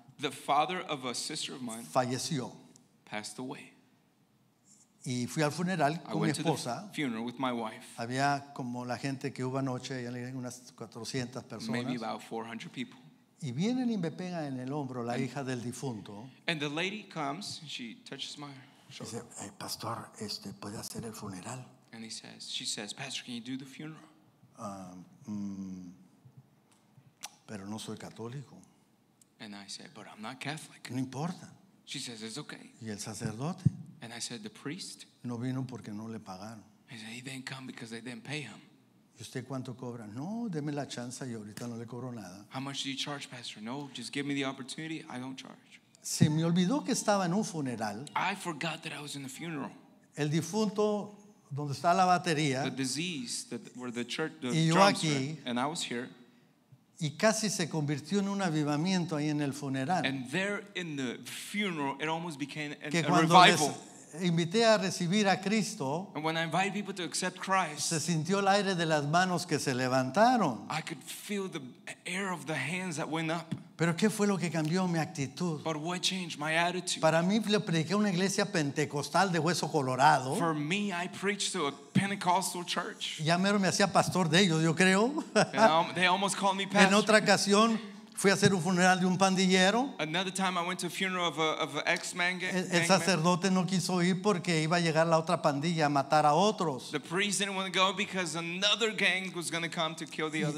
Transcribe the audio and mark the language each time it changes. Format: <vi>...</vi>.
<en>The father of a sister of mine</en> <es>falleció.</es> <en>Passed away.</en> <es>Y fui al funeral con</es> <en>I went</en> <es>mi esposa.</es> <en>To the funeral with my wife.</en> <es>Había como la gente que hubo anoche, unas 400 personas.</es> <en>Maybe about 400 people.</en> <es>Y vienen y me pega en el hombro la hija del difunto.</es> <en>And the lady comes and she touches my shoulder.</en> <es>Dice, hey, pastor, ¿puede hacer el funeral?</es> <en>And she says, pastor, can you do the funeral?</en> <es>Pero no soy católico.</es> <en>And I said, but I'm not Catholic.</en> <es>No importa.</es> <en>She says, it's okay.</en> <es>¿Y el sacerdote?</es> <en>And I said, the priest?</en> <es>No vino porque no le pagaron.</es> <en>I said, he didn't come because they didn't pay him.</en> <es>¿Y usted cuánto cobra? No, deme la chance y ahorita no le cobro nada.</es> <en>How much do you charge, pastor? No, just give me the opportunity. I don't charge.</en> <es>Se me olvidó que estaba en un funeral.</es> <en>I forgot that I was in a funeral.</en> <es>El difunto, donde está la batería.</es> <en>The disease, where the church, the</en> <es>y yo</es> <en>drums</en> <es>aquí,</es> <en>were, and I was here.</en> <es>Y casi se convirtió en un avivamiento ahí en el funeral.</es> <en>And there in the funeral, it almost became</en> <es>que</es> <en>a</en> <es>cuando</es> <en>revival.</en> <es>Invité a recibir a Cristo,</es> <en>and when I invited people to accept Christ,</en> <es>se sintió el aire de las manos que se levantaron.</es> <en>I could feel the air of the hands that went up.</en> <es>Pero ¿qué fue lo que cambió mi actitud?</es> <en>But what changed my attitude?</en> <es>Para mí le prediqué a una iglesia pentecostal de hueso colorado.</es> <en>For me, I preached to a Pentecostal church.</en> <es>Ya mero me hacía pastor de ellos, yo creo.</es> <en>They almost called me pastor.</en> <es>En otra ocasión fui a hacer un funeral de un pandillero.</es> <en>Another time I went to a funeral of an ex-man.</en> <es>El sacerdote no quiso ir porque iba a llegar la otra pandilla a matar a otros.</es> <en>The priest didn't want to go because another gang was going to come to kill the other.</en>